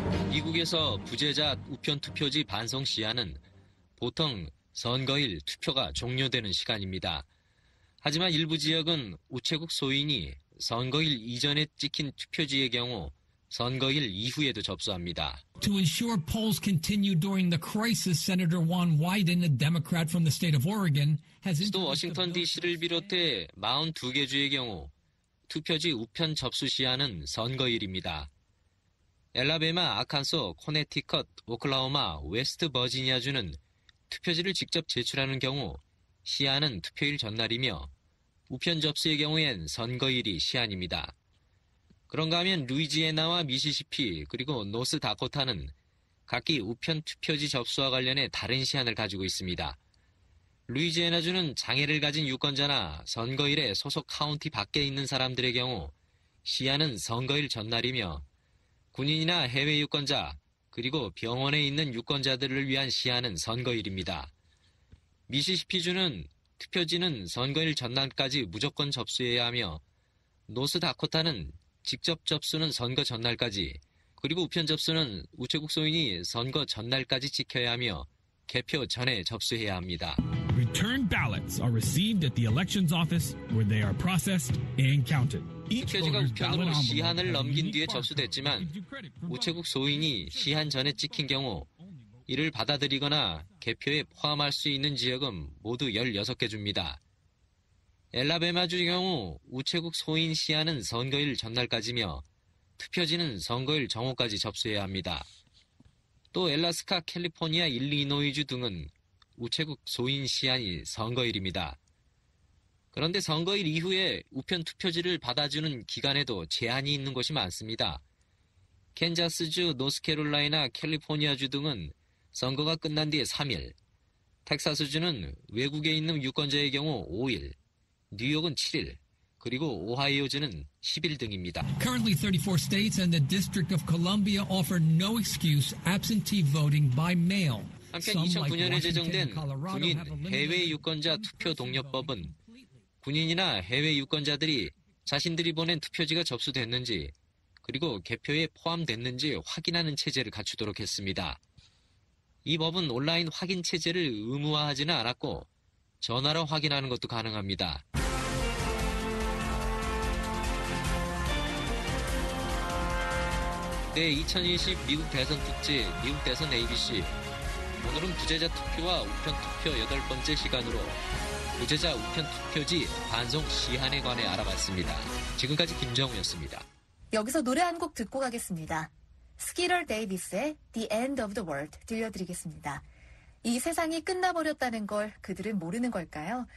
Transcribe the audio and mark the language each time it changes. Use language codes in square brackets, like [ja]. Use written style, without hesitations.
[ko] 미국에서 부재자 우편 투표지 반송 시한은 보통 선거일 투표가 종료되는 시간입니다. 하지만 일부 지역은 우체국 소인이 선거일 이전에 찍힌 투표지의 경우 선거일 이후에도 접수합니다. [en] To ensure polls continue during the crisis, Senator Juan Wyden, a Democrat from the state of Oregon, has [ko] 수도 워싱턴 DC를 비롯해 42개 주의 경우 투표지 우편 접수 시한은 선거일입니다. 엘라베마, 아칸소, 코네티컷, 오클라호마, 웨스트 버지니아주는 투표지를 직접 제출하는 경우 시한은 투표일 전날이며 우편 접수의 경우엔 선거일이 시한입니다. 그런가 하면 루이지애나와 미시시피 그리고 노스다코타는 각기 우편 투표지 접수와 관련해 다른 시한을 가지고 있습니다. 루이지애나주는 장애를 가진 유권자나 선거일에 소속 카운티 밖에 있는 사람들의 경우 시한은 선거일 전날이며 군인이나 해외 유권자 그리고 병원에 있는 유권자들을 위한 시한은 선거일입니다. 미시시피주는 투표지는 선거일 전날까지 무조건 접수해야 하며 노스다코타는 직접 접수는 선거 전날까지 그리고 우편 접수는 우체국 소인이 선거 전날까지 지켜야 하며 개표 전에 접수해야 합니다. [en] Return ballots are received at the elections office where they are processed and counted. [ko] 투표지가 우편으로 시한을 넘긴 뒤에 접수됐지만 우체국 소인이 시한 전에 찍힌 경우 이를 받아들이거나 개표에 포함할 수 있는 지역은 모두 16개 줍니다. 엘라베마주의 경우 우체국 소인 시한은 선거일 전날까지며 투표지는 선거일 정오까지 접수해야 합니다. 또 엘라스카, 캘리포니아, 일리노이주 등은 우체국 소인 시한이 선거일입니다. 그런데 선거일 이후에 우편 투표지를 받아주는 기간에도 제한이 있는 곳이 많습니다. 캔자스주, 노스캐롤라이나, 캘리포니아주 등은 선거가 끝난 뒤에 3일, 텍사스주는 외국에 있는 유권자의 경우 5일, 뉴욕은 7일, 그리고 오하이오주는 10일 등입니다. [en] Currently 34 states and the District of Columbia offer no excuse absentee voting by mail. [ko] 한편 2009년에 제정된 군인 해외 유권자 투표 동요법은 군인이나 해외 유권자들이 자신들이 보낸 투표지가 접수됐는지 그리고 개표에 포함됐는지 확인하는 체제를 갖추도록 했습니다. 이 법은 온라인 확인 체제를 의무화하지는 않았고 전화로 확인하는 것도 가능합니다. 네, 2020 미국 대선 특집 미국 대선 ABC. 오늘은 부재자 투표와 우편 투표 8번째 시간으로 부재자 우편 투표지 반송 시한에 관해 알아봤습니다. 지금까지 김정우였습니다. 여기서 노래 한 곡 듣고 가겠습니다. 스키러 데이비스의 The End of the World 들려드리겠습니다. 이 세상이 끝나버렸다는 걸 그들은 모르는 걸까요?